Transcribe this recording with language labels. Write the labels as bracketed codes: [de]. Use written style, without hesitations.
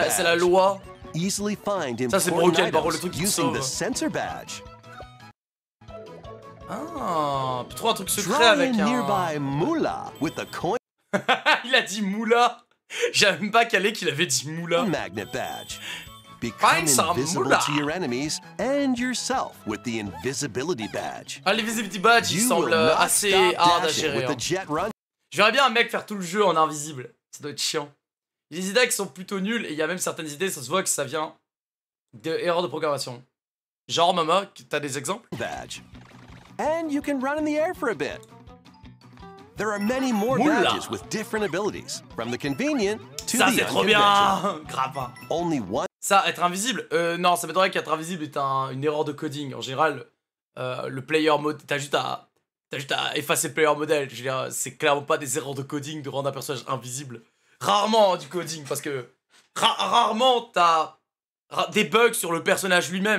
[fr] C'est la loi. [en] Easily find important. [fr] Ça, c'est broken, par contre, le truc [en] qui the sensor badge. [fr] Ah, plutôt un truc secret avec un... [en] Nearby Moula with a coin. [fr] Il a dit Moula. J'avais même pas calé qu'il avait dit moula. [en] Magnet badge. Become invisible to your enemies and yourself with the invisibility badge. [fr] Ah, l'invisibility badge, il semble assez hard à gérer. Hein. J'aimerais bien un mec faire tout le jeu en invisible. Ça doit être chiant. Les idées qui sont plutôt nulles et il y a même certaines idées, ça se voit que ça vient d'erreurs de programmation. Genre, Mama, t'as des exemples? [en] Badge. And you can run in the air for a bit. There are many more badges with different abilities, from the convenient to [fr] ça, [en] the [fr] c'est trop bien. Grave. [en] Only one. [fr] Ça, être invisible. Non, ça m'étonnerait qu'être invisible est une erreur de coding. En général, le player mode, t'as juste à effacer le player model. Je veux dire, c'est clairement pas des erreurs de coding de rendre un personnage invisible. Rarement du coding, parce que rarement t'as des bugs sur le personnage lui-même.